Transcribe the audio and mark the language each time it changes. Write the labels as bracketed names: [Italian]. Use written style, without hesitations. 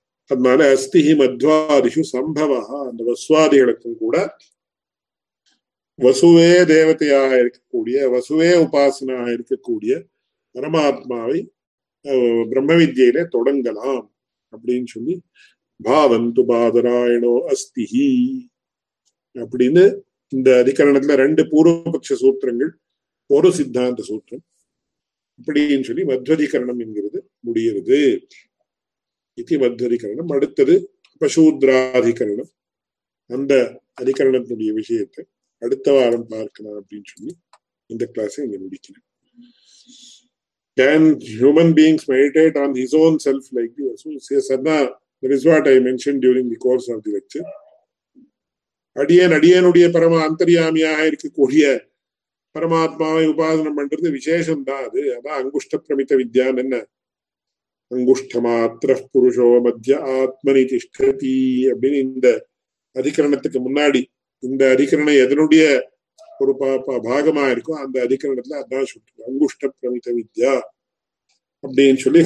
[Tamil] அதனால [Sanskrit] அஸ்திஹி மத்வாதிஷு சம்பவா, [Tamil] அந்த வசுவாதிகளுக்கும் கூட வசுவே தேவதையாக இருக்கக்கூடிய, வசுவே உபாசனாக இருக்கக்கூடிய பரமாத்மாவை பிரம்ம வித்யில தொடங்கலாம் அப்படின்னு சொல்லி, [Sanskrit] பாவந்து பாதராயணோ அஸ்திஹி [Tamil] அப்படின்னு இந்த அதிகரணத்துல ரெண்டு பூர்வபக்ஷ சூத்திரங்கள், ஒரு சித்தாந்த சூத்திரம் அப்படின்னு சொல்லி மத்வதிகரணம் என்கிறது முடிகிறது. இது மத்வதிகரணம். அடுத்தது பசூத்ராதிகரணம், அந்த அதிகரணத்தினுடைய விஷயத்தை அடுத்த வாரம் பார்க்கலாம் அப்படின்னு சொல்லி இந்த கிளாஸை இங்க முடிக்கிறேன். [English] Can human beings meditate on his own self like this? That is what I mentioned during the course of the lecture. [Tamil] அடியன் அடியனுடைய பரம அந்தரியாமியாக இருக்கக்கூடிய பரமாத்மாவை உபாசனம் பண்றது விசேஷம்தான் அது. அதான் அங்குஷ்ட பிரமித வித்யான்னு என்ன, [Sanskrit] அங்குஷ்ட மாத்திர புருஷோ மத்திய ஆத்மனி திஷ்டதி [Tamil] அப்படின்னு இந்த அதிகரணத்துக்கு முன்னாடி இந்த அதிகரணம் எதனுடைய ஒரு பாகமா இருக்கோ அந்த அதிகரணத்துல அதான் சொல்றது, அங்குஷ்ட பிரமித வித்யா அப்படின்னு சொல்லி.